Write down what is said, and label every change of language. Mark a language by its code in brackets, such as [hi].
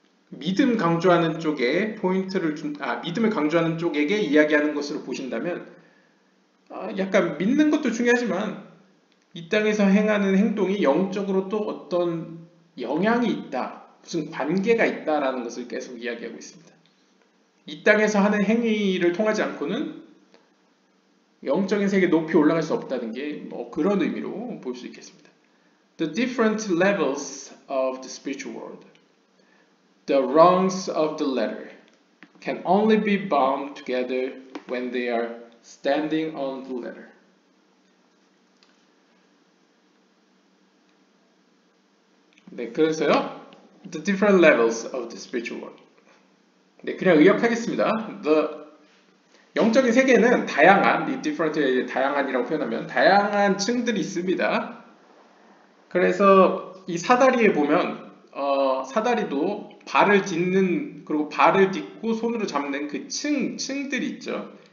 [ko] 믿음 강조하는 쪽에 믿음을 강조하는 쪽에게 이야기하는 것으로 보신다면 약간 믿는 것도 중요하지만 이 땅에서 행하는 행동이 영적으로 또 어떤 영향이 있다 무슨 관계가 있다라는 것을 계속 이야기하고 있습니다. 이 땅에서 하는 행위를 통하지 않고는 영적인 세계 높이 올라갈 수 없다는 게 뭐 그런 의미로 볼 수 있겠습니다. [en] The different levels of the spiritual world, the rungs of the ladder, can only be bound together when they are standing on the ladder. [ko] 네, 그래서요. [en] The different levels of the spiritual world. [ko] 네, 그냥 의역하겠습니다. 영적인 세계는 다양한이라고 표현하면 다양한 층들이 있습니다. 그래서 이 사다리에 보면 사다리도 발을 딛는 그리고 발을 딛고 손으로 잡는 그 층들이 있죠.